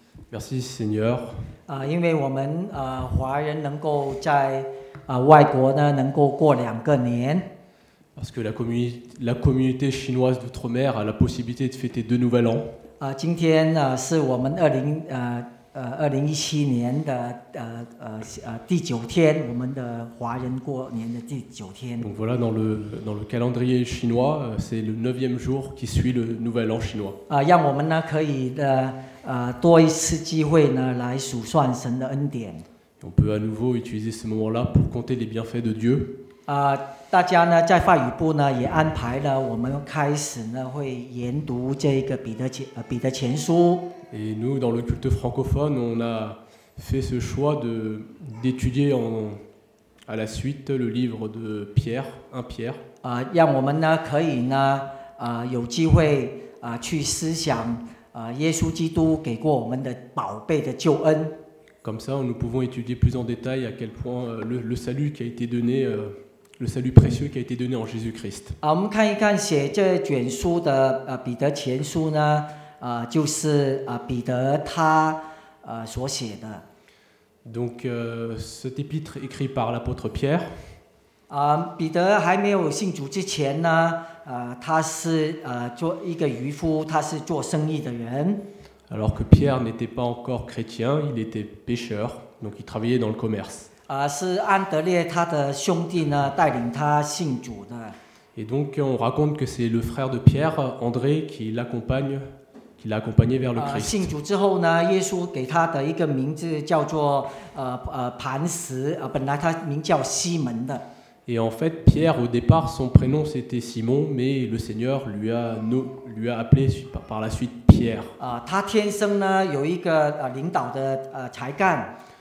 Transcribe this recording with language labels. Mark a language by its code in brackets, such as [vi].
[fr] Merci Seigneur。 [zh] 因为我们华人能够在外国呢能够过两个年。 [fr] Parce que la communauté chinoise d'outre-mer a la possibilité de fêter deux nouvel an。 [zh] 今天是我们2017年的第九天，我们的华人过年的第九天。 [fr] Donc voilà, dans le calendrier chinois, c'est le 9e jour qui suit le nouvel an chinois. [zh] 让我们呢可以多一次机会呢来数算神的恩典。 [fr] On peut à nouveau utiliser ce moment-là pour compter les bienfaits de Dieu. [zh] 大家呢在法语部呢也安排了，我们开始呢会研读这个彼得前书。 [fr] Et nous, dans le culte francophone, on a fait ce choix d'étudier à la suite le livre de Pierre, 1 Pierre. [zh] 让我们呢可以呢有机会去思想耶稣基督给过我们的宝贝的救恩。 [fr] Comme ça, nous pouvons étudier plus en détail à quel point le salut qui a été donné, le salut précieux qui a été donné en Jésus-Christ. [zh] 我们看一看写这卷书的彼得前书呢。就是彼得他所写的。 [fr] Donc, cet épître écrit par l'apôtre Pierre. [zh] 彼得还没有信主之前呢，他是做一个渔夫，他是做生意的人。 [fr] Alors que Pierre n'était pas encore chrétien, il était pêcheur, donc il travaillait dans le commerce. [zh] 是安德烈他的兄弟呢带领他信主的。 [fr] Et donc, on raconte que c'est le frère de Pierre, André, qui l'accompagne. Il l'a accompagné vers le Christ. [zh] 信主之后呢，耶稣给他的一个名字叫做磐石，本来他名叫西门的。 [fr] Et en fait, Pierre, au départ, son prénom c'était Simon, mais le Seigneur lui a appelé par la suite Pierre. [zh] 他天生呢有一个领导的才干。